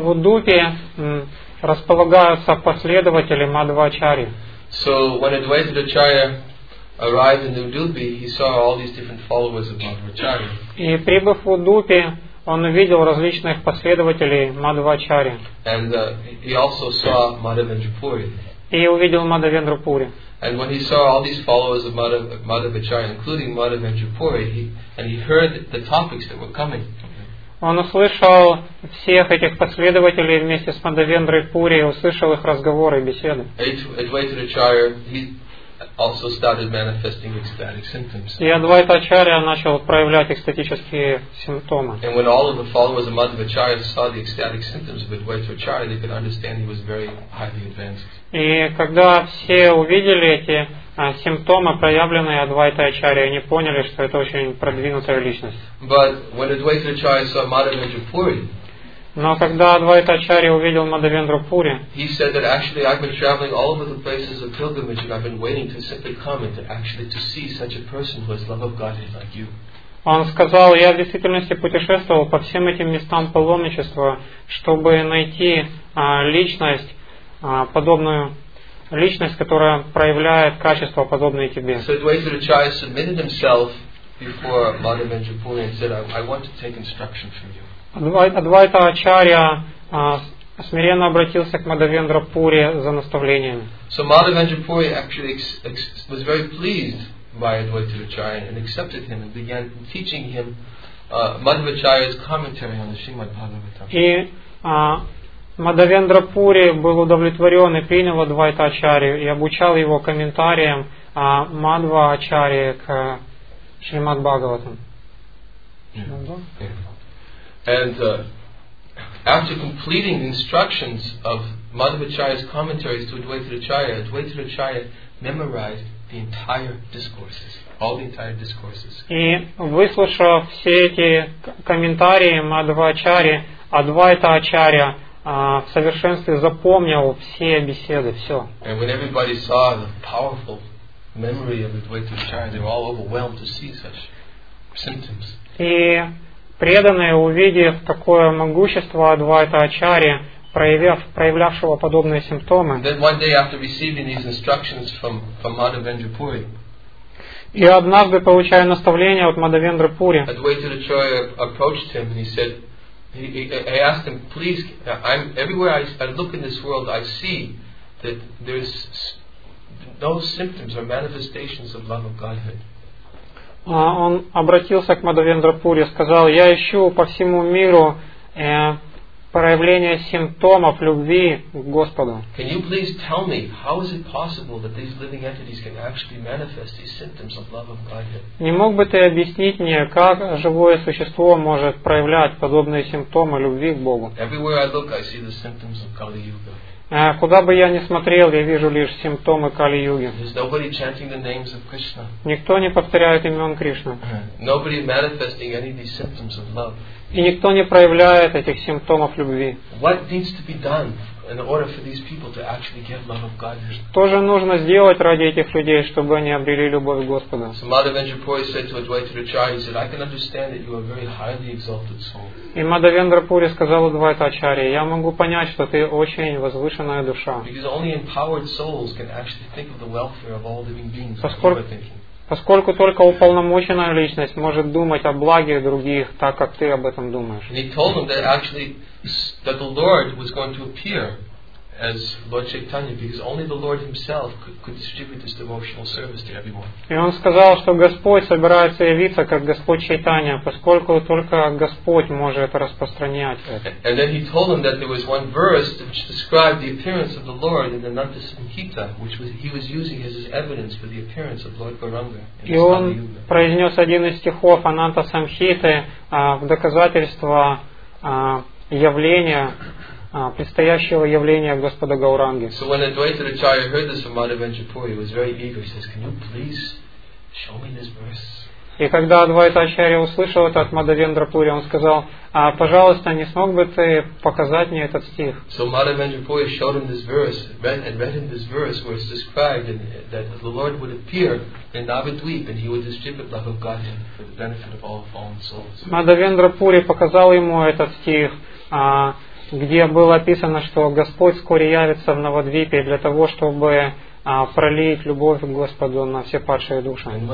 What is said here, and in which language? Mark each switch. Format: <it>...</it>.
<ru>Удупи располагаются последователи Мадхавачарьи.</ru> <en>So when Advaita Acharya arrived in Udupi, he saw all these different followers of Madhavacharya.</en> <ru>И прибыв в Удупи, он увидел различных последователей Мадхавачарьи.</ru> <en>And he also saw Madhavendrapuri.</en> <ru>И увидел Мадхавендрапури.</ru> <en>And when he saw all these followers of Madhavacharya, including Madhavendrapuri, he heard the topics that were coming.</en> <ru>Он услышал всех этих последователей вместе с Мадхавендрапури, услышал их разговоры и беседы.</ru> <en>Advaita Acharya, he also started manifesting ecstatic symptoms.</en> <ru>И Адвайта Ачарья начал проявлять экстатические симптомы.</ru> <en>And when all of the followers of Madhavacharya saw the ecstatic symptoms of Advaita Acharya, they could understand he was very highly advanced.</en> <ru>И когда все увидели эти симптомы, проявленные Адвайтой Ачарьей, они поняли, что это очень продвинутая личность.</ru> <en>But when Advaita Acharya saw Madhavendrapuri,</en> <ru>но когда Адвайта Ачарья увидел Мадхавендрапури,</ru> <en>he said that actually I've been traveling all over the places of pilgrimage and I've been waiting to simply come and to actually to see such a person who has love of Godhead like you.</en> <ru>Он сказал, я в действительности путешествовал по всем этим местам паломничества, чтобы найти личность, подобную личность, которая проявляет качества подобные тебе.</ru> <en>So Advaita Acharya submitted himself before Мадхавендрапури and said, I want to take instruction from you.</en> <ru>Адвайта Ачарья смиренно обратился к Мадхавендрапури за наставлением.</ru> <en>So Madhavendrapuri actually was very pleased by Advaita Acharya and accepted him and began teaching him Madhavacharya's commentary on the Srimad Bhagavatam.</en> <ru>И Мадхавендрапури был удовлетворен и принял Адвайта Ачарью и обучал его комментариям Мадва Ачарьи к Шримад Бхагаватам.</ru> <en>And after completing the instructions of Madhavacharya's commentaries to Advaita Acharya, Advaita Acharya memorized the entire discourses, all the entire discourses.</en> <ru>И выслушав все эти комментарии Мадхавачарьи, Адвайта Ачарья в совершенстве запомнил все беседы, все.</ru> <en>And when everybody saw the powerful memory of Advaita Acharya, they were all overwhelmed to see such symptoms.</en> <ru>И преданные, увидев такое могущество Адвайта Ачарьи, проявлявшего подобные симптомы.</ru> <en>Then one day after receiving these instructions from Madhavendra Puri,</en> <ru>и однажды, получая наставление от Мадхавендры Пури,</ru> <en>Advaita Acharya approached him and he said, I asked him, please, everywhere I look in this world, I see that there's no symptoms or manifestations of love of Godhead.</en> <ru>Он обратился к Мадхавендра Пури, сказал, я ищу по всему миру проявление симптомов любви к Господу.</ru> <en>Can you please tell me how is it possible that these living entities can actually manifest these symptoms of love of Godhead?</en> <ru>Не мог бы ты объяснить мне, как живое существо может проявлять подобные симптомы любви к Богу?</ru> <en>Everywhere I look, I see the symptoms of Kali Yuga.</en> <ru>Куда бы я ни смотрел, я вижу лишь симптомы Кали-юги.</ru> <en>There's nobody chanting the names of Krishna.</en> <ru>Никто не повторяет имен Кришны.</ru> <en>Nobody manifesting any of these symptoms of love.</en> <ru>И никто не проявляет этих симптомов любви.</ru> <en>What needs to be done in order for these people to actually get love of God?</en> <ru>Что же нужно сделать ради этих людей, чтобы они обрели любовь Господа?</ru> <en>So Madhavendra Puri said to Advaita Acharya, he said, I can understand that you are a very highly exalted soul.</en> <ru>И Мадхавендра Пури сказал Адвайта Ачарье, я могу понять, что ты очень возвышенная душа.</ru> <en>Because only empowered souls can actually think of the welfare of all living beings.</en> <ru>Поскольку только уполномоченная личность может думать о благе других, так как ты об этом думаешь.</ru> <en>He told them that actually that the Lord was going to appear as Lord Chaitanya, because only the Lord himself could distribute this devotional service to everyone.</en> <ru>И он сказал, что Господь собирается явиться как Господь Чайтанья, поскольку только Господь может распространять это.</ru> <en>And then he told them that there was one verse which described the appearance of the Lord in the Ananta Samhita, which was, he was using as his evidence for the appearance of Lord Gauranga.</en> <ru>И он произнес один из стихов Ананта Самхиты в доказательство явления предстоящего явления Господа Гауранги.</ru> <en>So when Advaita Acharya heard this from Madhavendra Puri, he was very eager. He says, "Can you please show me this verse?"</en> <ru>И когда Адвайта Ачарья услышал это от Мадхавендра Пури, он сказал, пожалуйста, не смог бы ты показать мне этот стих?</ru> <en>So Madhavendra Puri showed him this verse, read him this verse where it's described that the Lord would appear in Navadvipa and he would distribute love of God for the benefit of all fallen souls.</en> <ru>Мадхавендра Пури показал ему этот стих, где было описано, что Господь вскоре явится в Навадвипе для того, чтобы пролить любовь к Господу на все падшие души.</ru>